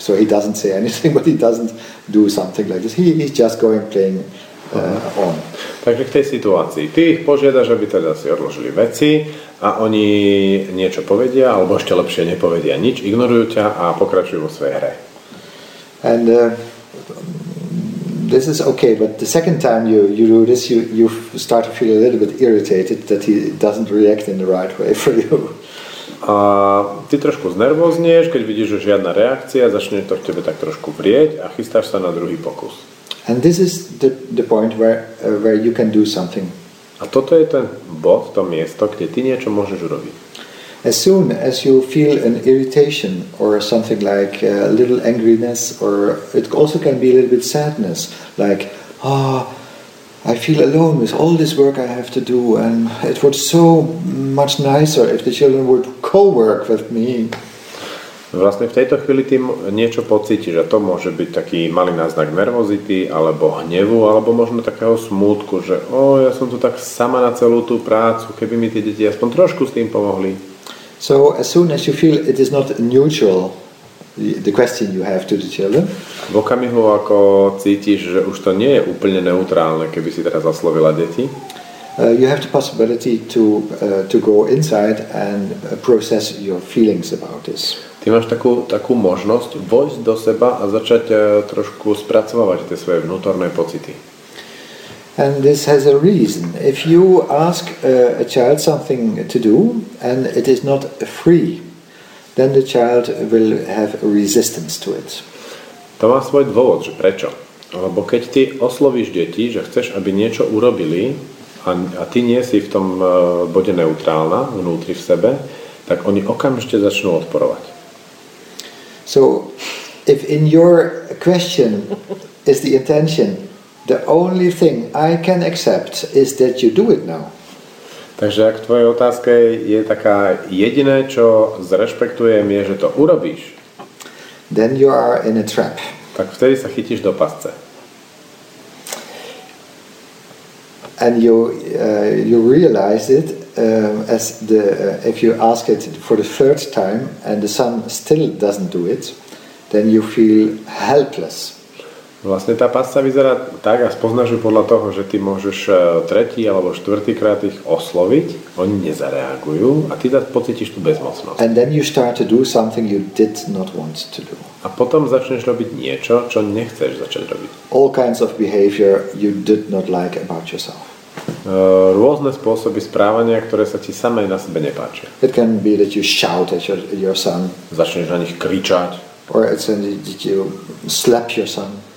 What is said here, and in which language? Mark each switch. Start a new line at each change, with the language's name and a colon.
English: So he doesn't say anything, but he doesn't do something like this. He's just going playing on.
Slovak: Takže v tej situácii ty ich požiadaš, aby teda si odložili veci a oni niečo povedia, alebo ešte lepšie nepovedia nič, ignorujú ťa a pokračujú vo svojej hre.
English: And this is okay, but the second time you do this, you start to feel a little bit irritated that he doesn't react in the right way for you.
Slovak: A ty trošku znervozneš, keď vidíš, že žiadna reakcia, začne to v tebe tak trošku vrieť a chystáš sa na druhý pokus.
English: And this is the point where you can do something.
Slovak: A toto je ten bod, to miesto, kde ty niečo môžeš urobiť.
English: As soon as you feel an irritation or something like a little angriness or it also can be a little bit sadness, like oh, I feel alone with all this work I have to do and it would so much nicer if the children would co-work with me.
Slovak: Vlastne v tejto chvíli ty niečo pocítiš a to môže byť taký malý náznak nervozity alebo hnevu alebo možno takého smútku, že ja som tu tak sama na celú tú prácu, keby mi tie deti aspoň trošku s tým pomohli.
English: So as soon as you feel it is not neutral, the question you have to the children.
Slovak: V okamihu, ako cítiš, že už to nie je úplne neutrálne, keby si teraz zaslovila deti.
English: You have the possibility to go inside and process your feelings about this.
Slovak: Ty máš takú možnosť vojsť do seba a začať trošku spracovávať tie svoje vnútorné pocity.
English: And this has a reason. If you ask a child something to do and it is not free, then the child will have resistance to it.
Slovak: To má svoj dôvod, že prečo? Lebo keď ty oslovíš deti, že chceš, aby niečo urobili, a ty nie si v tom bode neutrálna vnútri v sebe, tak oni okamžite začnú odporovať.
English: So if in your question is the intention, the only thing I can accept is that you do it now.
Slovak: Takže ak tvoje otázka je taká, jediné, čo zrešpektujem, je, že to urobíš.
English: Then you are in a trap.
Slovak: Tak vtedy sa chytíš do pasce.
English: And you you realize it as the if you ask it for the third time and the son still doesn't do it, then you feel helpless.
Slovak: Vlastne tá pasca vyzerá tak a spoznaš ju podľa toho, že ty môžeš tretí alebo štvrtý krát ich osloviť, oni nezareagujú a ty teda pocítiš tú bezmocnosť.
English: And then you start to do something you did not want to do.
Slovak: A potom začneš robiť niečo, čo nechceš začať robiť.
English: All kinds of behavior you did not like about yourself.
Slovak: Rôzne spôsoby správania, ktoré sa ti samej na sebe nepáčia.
English: It can be that you shout at your son.
Slovak: Začneš na nich kričať.
English: Or it's in that you slap your son.